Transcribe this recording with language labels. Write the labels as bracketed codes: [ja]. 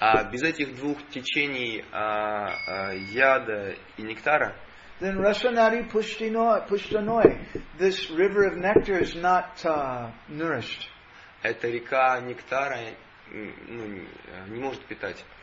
[ru] без этих двух течений яда и нектара, [en] then Rasanari Pushtanoi, this river of nectar is not nourished. [ru] Эта река нектара не может питать.